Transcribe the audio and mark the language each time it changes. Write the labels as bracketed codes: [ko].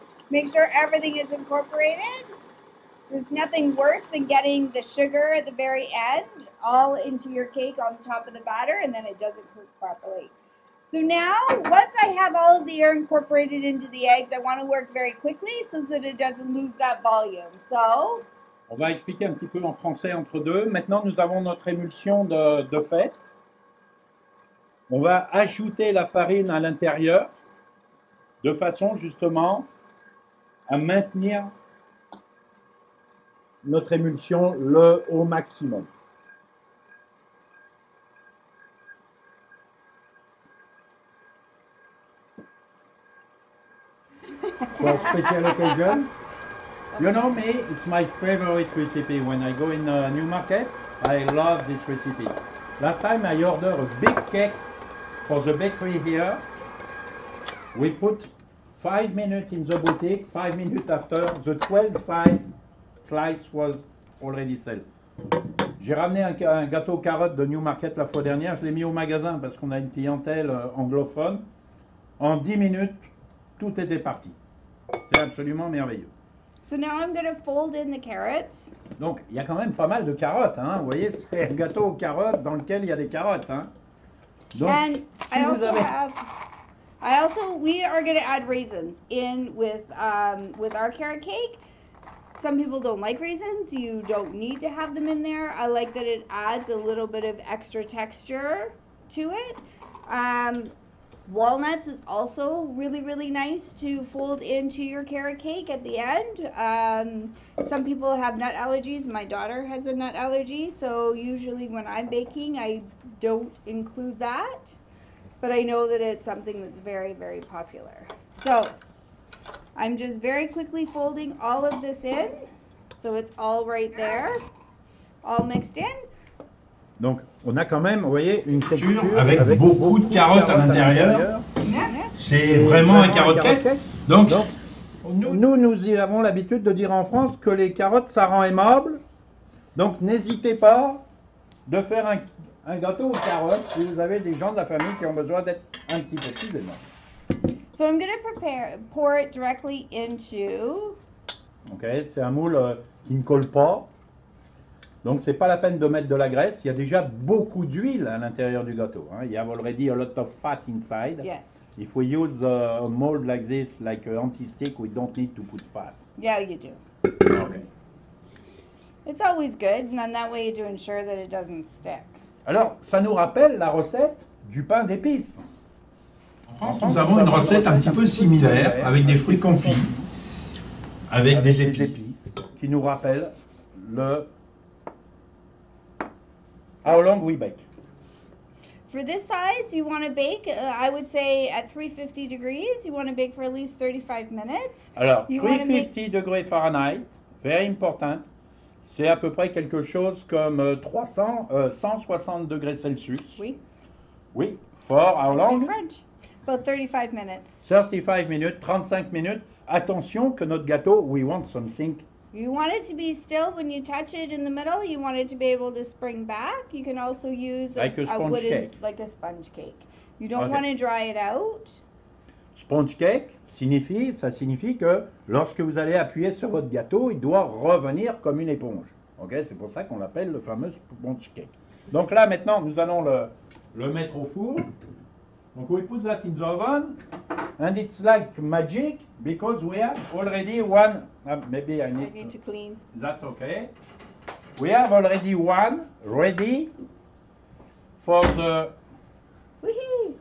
[en] Make sure everything is incorporated. There's nothing worse than getting the sugar at the very end all into your cake on the top of the batter and then it doesn't cook properly. So now, once I have all of the air incorporated into the eggs, I want to work very quickly so that it doesn't lose that volume. So. [fr] On va expliquer un petit peu en français entre deux. Maintenant, nous avons notre émulsion de fête. On va ajouter la farine à l'intérieur de façon justement à maintenir notre émulsion au maximum. Pour spécial occasion. [en] You know me, it's my favorite recipe. When I go in a new market, I love this recipe. Last time I ordered a big cake for the bakery here. We put 5 minutes in the boutique, 5 minutes after, the 12 size slice was already sold. [fr] J'ai ramené un gâteau carotte de new market la fois dernière, je l'ai mis au magasin parce qu'on a une clientèle anglophone. En 10 minutes, tout était parti. C'est absolument merveilleux. [en] So now I'm going to fold in the carrots. [fr] Donc, il y a quand même pas mal de carottes, hein. Vous voyez, c'est un gâteau aux carottes dans lequel il y a des carottes, hein. Donc, and si I vous also avez... [en] have, I also, we are going to add raisins in with our carrot cake. Some people don't like raisins. You don't need to have them in there. I like that it adds a little bit of extra texture to it. Walnuts is also really, really nice to fold into your carrot cake at the end. Some people have nut allergies. My daughter has a nut allergy, so usually when I'm baking, I don't include that. But I know that it's something that's very, very popular. So I'm just very quickly folding all of this in. So it's all right there, all mixed in. [fr] Donc, on a quand même, vous voyez, une texture avec beaucoup de carottes à l'intérieur. C'est vraiment un carotte-cake. Donc, nous y avons l'habitude de dire en France que les carottes, ça rend aimable. Donc, n'hésitez pas de faire un gâteau aux carottes si vous avez des gens de la famille qui ont besoin d'être un petit peu plus aimables. [en] So, I'm going to prepare, [fr] pour [en] it directly into. [fr] Ok, c'est un moule qui ne colle pas. Donc, c'est pas la peine de mettre de la graisse. Il y a déjà beaucoup d'huile à l'intérieur du gâteau. Hein. [en] You have already a lot of fat inside. Yes. If we use a mold like this, like an anti-stick, we don't need to put fat. Yeah, you do. Okay. It's always good, and then that way you do ensure that it doesn't stick. [fr] Alors, ça nous rappelle la recette du pain d'épices. En France, nous avons une recette un petit peu similaire, avec des fruits confits, avec des épices. Qui nous rappelle le... [en] How long we bake? For this size, you want to bake, I would say, at 350 degrees. You want to bake for at least 35 minutes. [fr] Alors, 350 degrés Fahrenheit, [en] very important. [fr] C'est à peu près quelque chose comme 160 degrés Celsius. Oui. Oui. [en] For how long? In French. About 35 minutes. [fr] 35 minutes, 35 minutes. Attention que notre gâteau, [en] we want something. You want it to be still when you touch it in the middle. You want it to be able to spring back. You can also use a sponge cake. You don't want to dry it out. [fr] Sponge cake, ça signifie que lorsque vous allez appuyer sur votre gâteau, il doit revenir comme une éponge. Ok, c'est pour ça qu'on l'appelle le fameux sponge cake. Donc là, maintenant, nous allons le mettre au four. [en] Donc, we put that in the oven, and it's like magic, because we have already one, maybe I need to clean. That's okay. We have already one ready for the... Woohoo!